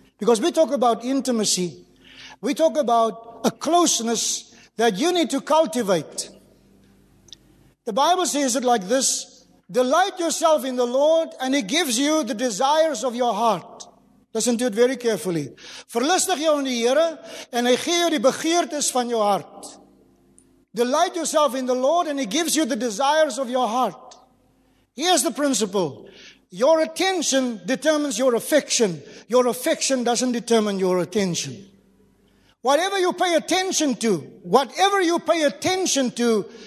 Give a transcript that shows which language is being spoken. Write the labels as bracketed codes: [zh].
[en] Because we talk about intimacy. We talk about a closeness that you need to cultivate. The Bible says it like this: delight yourself in the Lord, and He gives you the desires of your heart. Listen to it very carefully. [af] Verlustig jou in die Here, en Hy gee jou die begeertes van jou hart. [en] Delight yourself in the Lord, and He gives you the desires of your heart. Here's the principle: your attention determines your affection. Your affection doesn't determine your attention. Whatever you pay attention to,